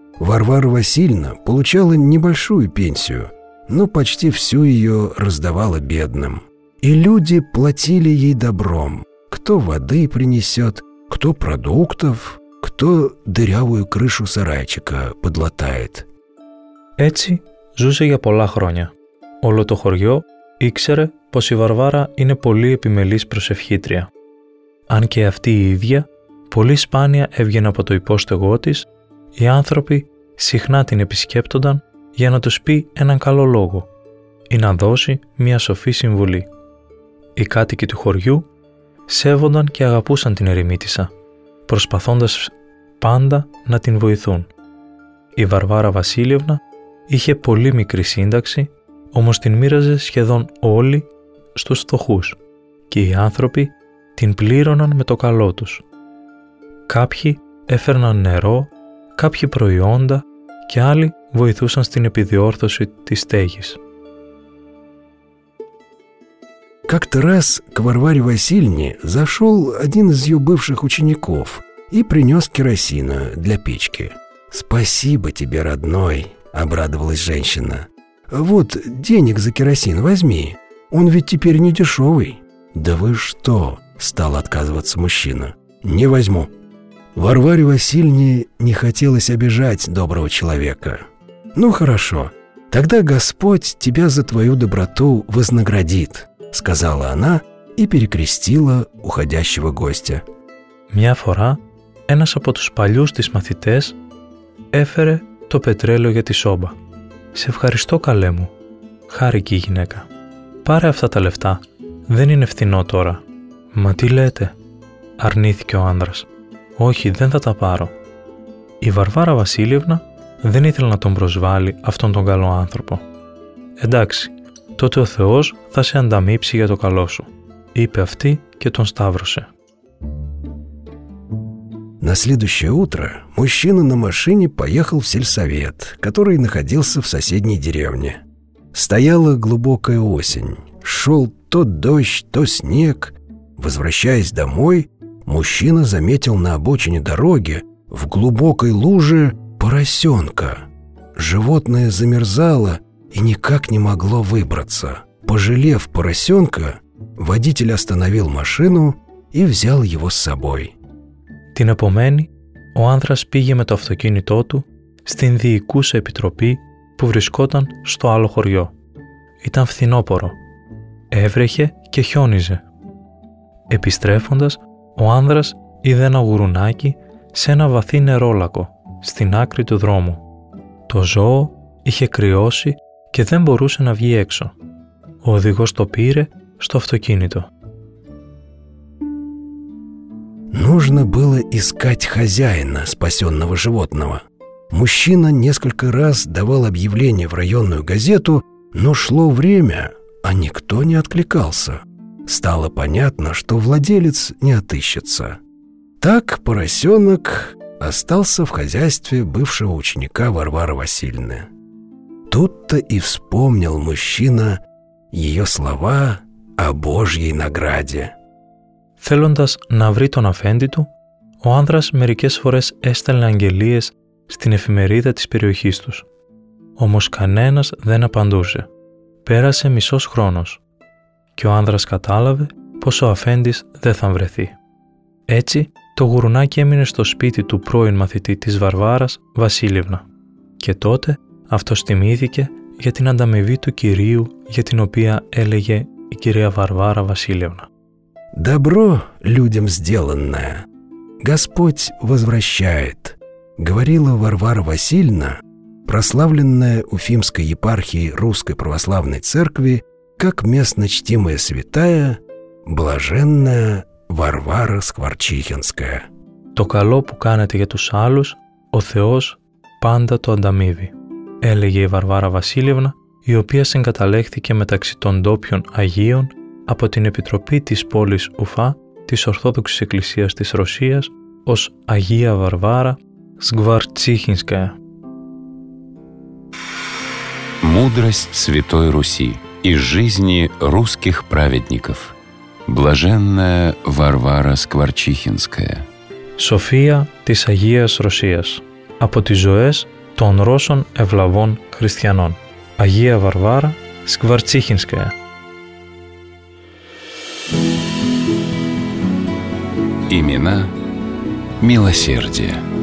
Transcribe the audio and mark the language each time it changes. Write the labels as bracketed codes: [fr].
[ru] Варвара Васильевна получала небольшую пенсию, но почти всю ее раздавала бедным. И люди платили ей добром, кто воды принесет, кто продуктов, кто дырявую крышу сарайчика подлатает. [el] Έτσι ζούσε για πολλά χρόνια. Όλο το χωριό ήξερε πως η Βαρβάρα είναι πολύ επιμελής προσευχήτρια. Αν και αυτή η ίδια, πολύ σπάνια έβγαινε από το υπόστεγό της, οι άνθρωποι συχνά την επισκέπτονταν για να τους πει έναν καλό λόγο ή να δώσει μια σοφή συμβουλή. Οι κάτοικοι του χωριού σέβονταν και αγαπούσαν την ερημίτισσα, προσπαθώντας πάντα να την βοηθούν. Η Βαρβάρα Βασίλειευνα είχε πολύ μικρή σύνταξη, όμως την μοίραζε σχεδόν όλοι στους φτωχούς και οι άνθρωποι την πλήρωναν με το καλό τους. Κάποιοι έφερναν νερό, κάποιοι προϊόντα και άλλοι βοηθούσαν στην επιδιόρθωση της στέγης. [ru] Как-то раз к Варваре Васильевне зашел один из ее бывших учеников и принес керосина для печки. «Спасибо тебе, родной!» — обрадовалась женщина. «Вот денег за керосин возьми, он ведь теперь не дешевый». «Да вы что?» — стал отказываться мужчина. «Не возьму». Варваре Васильевне не хотелось обижать доброго человека. «Ну хорошо, тогда Господь тебя за твою доброту вознаградит», — сказала она и перекрестила уходящего гостя. [el] Μια φορά ένας από τους παλιούς της μαθητές έφερε το πετρέλαιο για τη σόμπα. «Σε ευχαριστώ καλέ μου», χάρηκε η γυναίκα. «Πάρε αυτά τα λεφτά, δεν είναι φθηνό τώρα». «Μα τι λέτε», αρνήθηκε ο άνδρας. «Όχι, δεν θα τα πάρω». Η Βαρβάρα Βασίλειευνα δεν ήθελε να τον προσβάλλει αυτόν τον καλό άνθρωπο. «Εντάξει, τότε ο Θεός θα σε ανταμείψει για το καλό σου», είπε αυτή και τον σταύρωσε. [ru] На следующее утро мужчина на машине поехал в сельсовет, который находился в соседней деревне. Стояла глубокая осень, шел то дождь, то снег. Возвращаясь домой, мужчина заметил на обочине дороги, в глубокой луже, поросенка. Животное замерзало и никак не могло выбраться. Пожалев поросенка, водитель остановил машину и взял его с собой. [el] Την επομένη, ο άνδρας πήγε με το αυτοκίνητό του στην διοικούσα επιτροπή που βρισκόταν στο άλλο χωριό. Ήταν φθινόπωρο. Έβρεχε και χιόνιζε. Επιστρέφοντας, ο άνδρας είδε ένα γουρουνάκι σε ένα βαθύ νερόλακο στην άκρη του δρόμου. Το ζώο είχε κρυώσει και δεν μπορούσε να βγει έξω. Ο οδηγός το πήρε στο αυτοκίνητο. [ru] Нужно было искать хозяина спасенного животного. Мужчина несколько раз давал объявление в районную газету, но шло время, а никто не откликался. Стало понятно, что владелец не отыщется. Так поросенок остался в хозяйстве бывшего ученика Варвары Васильевны. Тут-то и вспомнил мужчина ее слова о Божьей награде. [el] Θέλοντας να βρει τον αφέντη του, ο άνδρας μερικές φορές έστελνε αγγελίες στην εφημερίδα της περιοχής τους. Όμως κανένας δεν απαντούσε. Πέρασε μισός χρόνος και ο άνδρας κατάλαβε πως ο αφέντης δεν θα βρεθεί. Έτσι, το γουρουνάκι έμεινε στο σπίτι του πρώην μαθητή της Βαρβάρας, Βασίλευνα. Και τότε αυτός τιμήθηκε για την ανταμοιβή του Κυρίου για την οποία έλεγε η κυρία Βαρβάρα Βασίλευνα. [ru] Добро людям сделанное, Господь возвращает, говорила Варвара Васильевна, прославленная уфимской епархией Русской Православной Церкви как местно чтимая святая, блаженная Варвара Скворчихинская. [el] «То кало, που κάνετε για τους άλλους, ο Θεός πάντα το ανταμείβει», έλεγε η Βαρβάρα Βασίλευνα, η οποία συγκαταλέχθηκε μεταξύ των ντόπιων Αγίων από την Επιτροπή της πόλης Ουφά της Ορθόδοξης Εκκλησίας της Ρωσίας ως Αγία Βαρβάρα Σκβαρτσίχινσκαια. [ru] Мудрость Святой Руси из жизни русских праведников. Блаженная Варвара Скворчихинская. [el] Σοφία της Αγίας Ρωσίας από τις ζωές των Ρώσων ευλαβών χριστιανών. Αγία Βαρβάρα Σκβαρτσίχινσκαια. [ru] Имена милосердия.